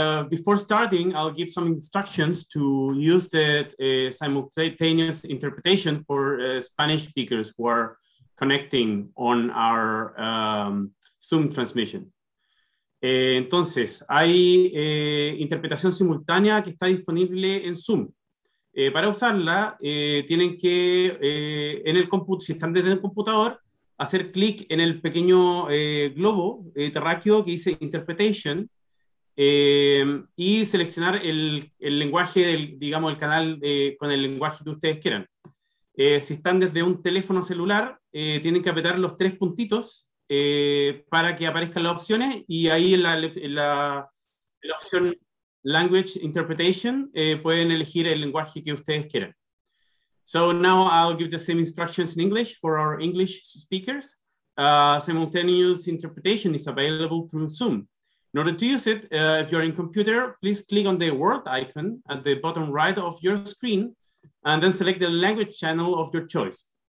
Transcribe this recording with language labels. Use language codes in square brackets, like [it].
[en] Before starting, I'll give some instructions to use the simultaneous interpretation for Spanish speakers who are connecting on our Zoom transmission. [es] Entonces, hay interpretación simultánea que está disponible en Zoom. Para usarla, tienen que, en el si están desde el computador, hacer clic en el pequeño globo terráqueo que dice Interpretation. Y seleccionar el lenguaje, digamos, el canal con el lenguaje que ustedes quieran. Si están desde un teléfono celular, tienen que apretar los tres puntitos para que aparezcan las opciones, y ahí en la opción Language Interpretation pueden elegir el lenguaje que ustedes quieran. [en] So now I'll give the same instructions in English for our English speakers. Simultaneous interpretation is available through Zoom. In order to use it, if you're in computer, please click on the world icon at the bottom right of your screen, and then select the language channel of your choice.